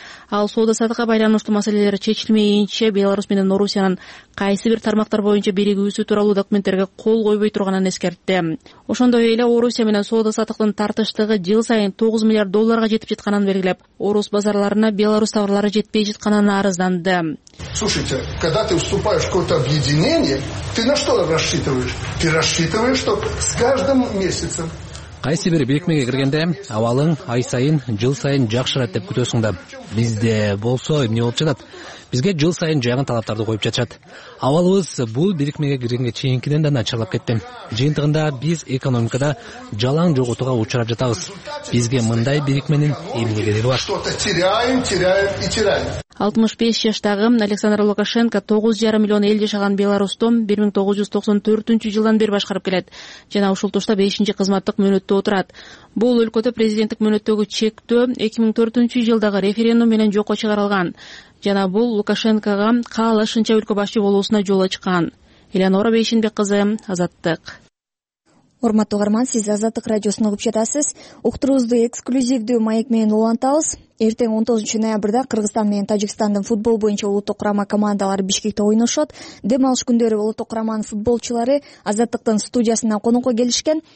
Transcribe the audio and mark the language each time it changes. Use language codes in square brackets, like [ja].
[ky] Ал соода саатка байланыштуу маселелер чечилмейинче Беларусь менен Орусиянын кайсы бир тармактар боюнча биригүүсү тууралуу документтерге кол койбой турганын эскертти. Ошондой эле Орусия менен соода саатыктын тартыштыгы жыл сайын 9 миллиард долларга жетип жатканын белгилеп, Орус базарларына Беларусь товарлары жетпей жатканын арызданды. [ru] Слушайте, когда ты вступаешь в какое-то объединение, ты на что рассчитываешь? Ты рассчитываешь, что с каждым месяцем. [ky] Кайсы бир бекмеге киргенде абалың ай сайын, жыл сайын жакшырат деп күтөсүң да. Бизде болсо эмне болуп жатат? Бизге жыл сайын жаңы талаптарды коюп жатышат. Абалыбыз бул бекмеге киргенге чейинкиден да начарлап кетти. Жыйынтыгында биз экономикада жалаң жоготууга учурап жатабыз. Бизге мындай бекменин эмне кереги бар? [ru] Что-то теряем, теряем и теряем. [ky] 65 жаштагы Александр Лукашенко 9,5 миллион эл жашаган Беларусьту 1994 жылдан бери башкарып келет жана ушул тушта 5-нчи кызматтык мөөнөттө отурат. Бул өлкөдө президенттик мөөнөттөгү чектөө 2004 жылдагы референдум менен жокко чыгарылган жана бул Лукашенкога каалашынча өлкө башчы болуусуна жол ачкан. Эленора Бешинбек кызы, Азаттык. Урматтуу угарман, сиз Азаттык радиосун угуп жатасыз. Уктуруубузду эксклюзивдүү маек менен улантабыз. Эртең 19 ноябрда Кыргызстан менен Тажикстандын футбол боюнча улуттук курама командалары Бишкекте ойношот. Дем алыш күндөрү улуттук курамнын футболчулары Азаттыктын студиясына конокко келишкен.